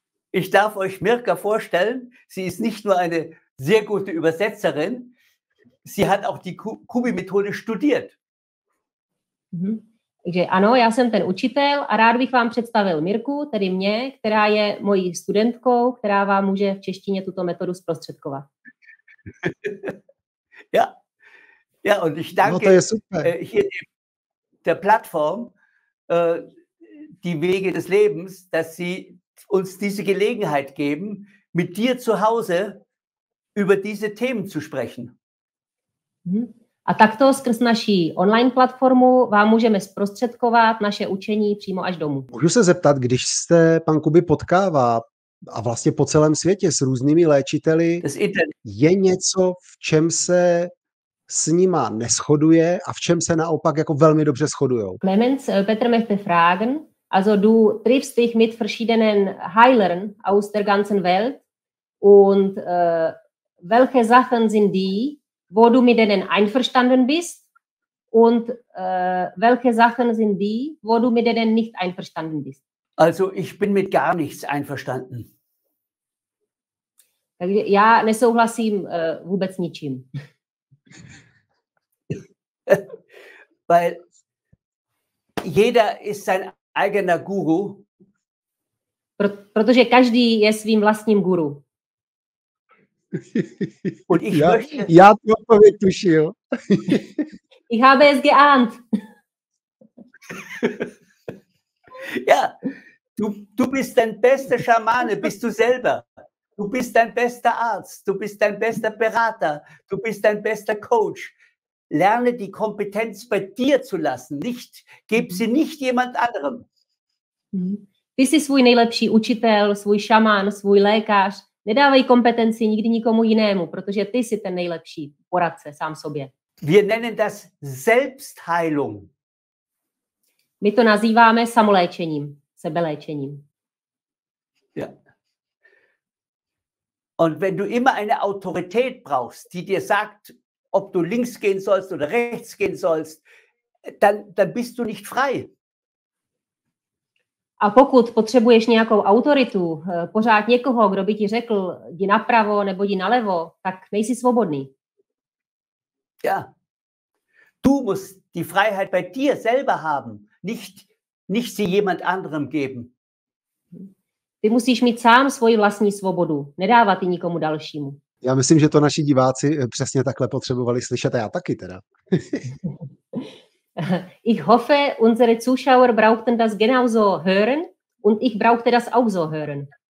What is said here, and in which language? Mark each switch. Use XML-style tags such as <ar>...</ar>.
<de>ich darf euch Mirka vorstellen, sie ist nicht nur eine sehr gute Übersetzerin, sie hat auch die Kubi-Methode studiert.</de> <cs>Takže ano, já jsem ten učitel a rád bych vám představil Mirku, tedy mě, která je mojí studentkou, která vám může v češtině tuto metodu zprostředkovat.</cs> <de>Ja. Ja, und ich danke</de> <cs>no, to je super.</cs> <de>Hier der Plattform die Wege des Lebens, dass sie uns diese Gelegenheit geben, mit dir zu Hause über diese Themen zu sprechen.</de> <cs>A takto skrz naší online platformu vám můžeme zprostředkovat naše učení přímo až domů. Můžu se zeptat, když se pan Kuby potkává a vlastně po celém světě s různými léčiteli, je něco, v čem se s nima neschoduje a v čem se naopak jako velmi dobře shodujou?</cs> <de>Moment, Petr möchte fragen. Also du triffst dich mit verschiedenen Heilern aus der ganzen Welt und welche Sachen sind die, wo du mit denen einverstanden bist und welche Sachen sind die, wo du mit denen nicht einverstanden bist? Also ich bin mit gar nichts einverstanden.</de> <cs>Takže já nesouhlasím vůbec ničím.</cs> <de>Weil jeder ist sein eigener Guru.</de> <cs>Protože každý je svým vlastním guru.</cs> <de>Und ich möchte...</de> <cs>Já tu odpověď tušil.</cs> <de>Ich habe es geahnt. Ja, du bist dein bester Schamane, bist du selber. Du bist dein bester Arzt, du bist dein bester Berater, du bist dein bester Coach. Lerne die Kompetenz bei dir zu lassen, nicht, gib sie nicht jemand anderem.</de> <cs>Ty jsi svůj nejlepší učitel, svůj šamán, svůj lékař. Nedávej kompetenci nikdy nikomu jinému, protože ty jsi ten nejlepší poradce sám sobě.</cs> <de>Wir nennen das Selbstheilung.</de> <cs>My to nazýváme samoléčením, sebeléčením.</cs> <de>Ja. Und wenn du immer eine Autorität brauchst, die dir sagt, ob du links gehen sollst oder rechts gehen sollst, dann bist du nicht frei.</de> <cs>A pokud potřebuješ nějakou autoritu, pořád někoho, kdo by ti řekl, jdi napravo nebo jdi nalevo, tak nejsi svobodný.</cs> <de>Ja. Du musst die Freiheit bei dir selber haben. Nicht sie jemand anderem geben.</de> <cs>Ty musíš mít sám svoji vlastní svobodu, nedávat ji nikomu dalšímu. Já myslím, že to naši diváci přesně takhle potřebovali slyšet, a já taky teda.</cs> <de>Ich hoffe, unsere Zuschauer brauchten das genauso hören und ich brauchte das auch so hören.</de>